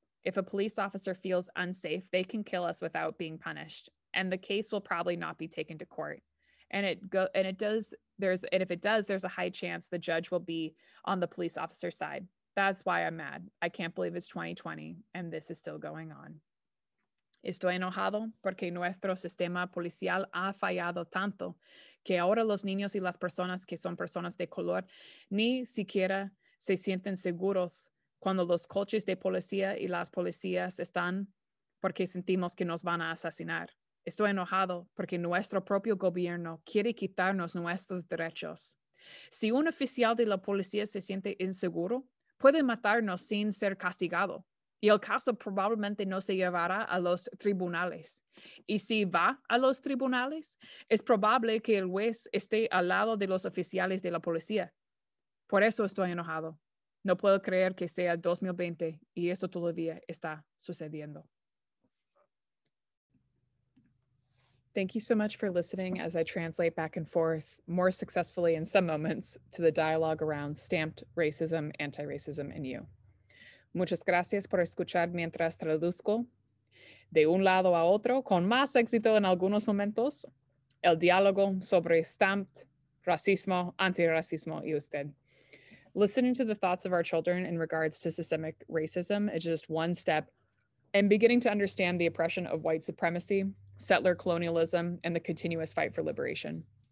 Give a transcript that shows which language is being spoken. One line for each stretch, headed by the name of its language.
English: If a police officer feels unsafe, they can kill us without being punished. And the case will probably not be taken to court. And if it does, there's a high chance the judge will be on the police officer's side. That's why I'm mad. I can't believe it's 2020 and this is still going on.
Spanish: Estoy enojado porque nuestro sistema policial ha fallado tanto que ahora los niños y las personas que son personas de color ni siquiera se sienten seguros cuando los coches de policía y las policías están porque sentimos que nos van a asesinar. Estoy enojado porque nuestro propio gobierno quiere quitarnos nuestros derechos. Si un oficial de la policía se siente inseguro, puede matarnos sin ser castigado. Y el caso probablemente no se llevará a los tribunales. Y si va a los tribunales, es probable que el juez esté al lado de los oficiales de la policía. Por eso estoy enojado. No puedo creer que sea 2020 y esto todavía está sucediendo.
English: Thank you so much for listening as I translate back and forth more successfully in some moments to the dialogue around stamped racism, anti-racism, and you.
Spanish: Muchas gracias por escuchar mientras traduzco de un lado a otro, con más éxito en algunos momentos, el diálogo sobre stamped racismo, anti-racismo, y usted.
English: Listening to the thoughts of our children in regards to systemic racism is just one step in beginning to understand the oppression of white supremacy, settler colonialism, and the continuous fight for liberation.